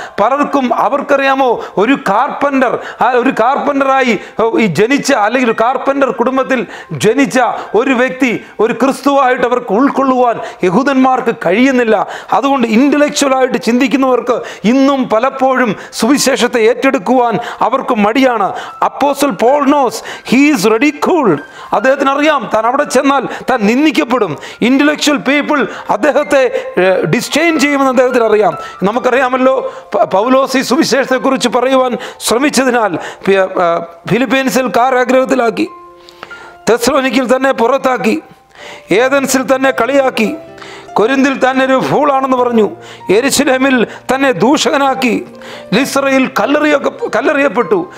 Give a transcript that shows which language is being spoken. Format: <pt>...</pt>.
<ml>പലർക്കും അവർക്കറിയാമോ, ഒരു കാർപ്പൻ്ററായി ജനിച്ച, അല്ലെങ്കിൽ കാർപ്പൻ്റർ കുടുംബത്തിൽ ജനിച്ച ഒരു വ്യക്തി ഒരു ക്രിസ്തുവായിട്ട് അവർക്ക് ഉൾക്കൊള്ളുവാൻ യഹൂദന്മാർക്ക് കഴിയുന്നില്ല. അതുകൊണ്ട് ഇൻ്റലക്ച്വലായിട്ട് ചിന്തിക്കുന്നവർക്ക് ഇന്നും പലപ്പോഴും സുവിശേഷത്തെ ഏറ്റെടുക്കുവാൻ അവർക്ക് മടിയാണ്.</ml> <en>Apostle Paul knows he is ridiculed.</en> <ml>അദ്ദേഹത്തിന് അറിയാം താൻ അവിടെ ചെന്നാൽ താൻ നിന്ദിക്കപ്പെടും. ഇൻ്റലക്ച്വൽ പീപ്പിൾ അദ്ദേഹത്തെ ഡിസ്ഡെയിൻ ചെയ്യുമെന്ന് അദ്ദേഹത്തിന് അറിയാം. നമുക്കറിയാമല്ലോ, പൗലോസ് ഈ സുവിശേഷത്തെക്കുറിച്ച് പറയുവാൻ ശ്രമിച്ചതിനാൽ ഫിലിപ്പീൻസിൽ കാരാഗ്രഹത്തിലാക്കി, തെസ്സലോനിക്കിൽ തന്നെ പുറത്താക്കി, ഏദൻസിൽ തന്നെ കളിയാക്കി, കൊരിന്തിൽ തന്നെ ഒരു ഫൂളാണെന്ന് പറഞ്ഞു, യെരുശലേമിൽ തന്നെ ദൂഷകനാക്കി, ലിസ്രയിൽ കല്ലെറിയപ്പെട്ടു.</ml>